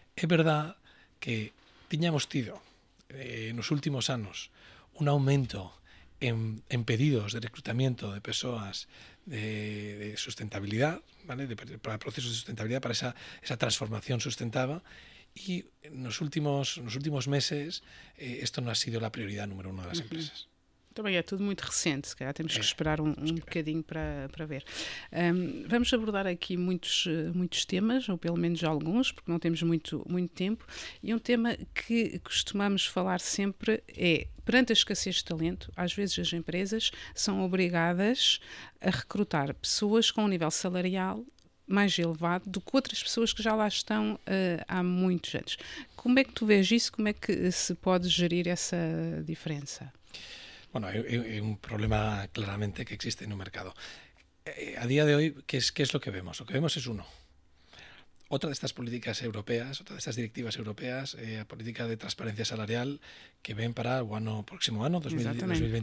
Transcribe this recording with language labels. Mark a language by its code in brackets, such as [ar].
[es] Es verdad que teníamos tido en los últimos años un aumento en pedidos de reclutamiento de personas de sustentabilidad, ¿vale? Para procesos de sustentabilidad, para esa transformación sustentable. Y en los últimos meses esto no ha sido la prioridad número uno de las empresas. [pt] Também é tudo muito recente, se calhar temos que esperar um bocadinho para ver. Vamos abordar aqui muitos temas, ou pelo menos alguns, porque não temos muito tempo. E um tema que costumamos falar sempre é, perante a escassez de talento, às vezes as empresas são obrigadas a recrutar pessoas com um nível salarial mais elevado do que outras pessoas que já lá estão há muitos anos. Como é que tu vês isso? Como é que se pode gerir essa diferença? [es] Bueno, hay un problema claramente que existe en el mercado. A día de hoy, ¿qué es lo que vemos? Lo que vemos es uno. Otra de estas políticas europeas, otra de estas directivas europeas, la política de transparencia salarial que ven para el año, próximo año, 2026.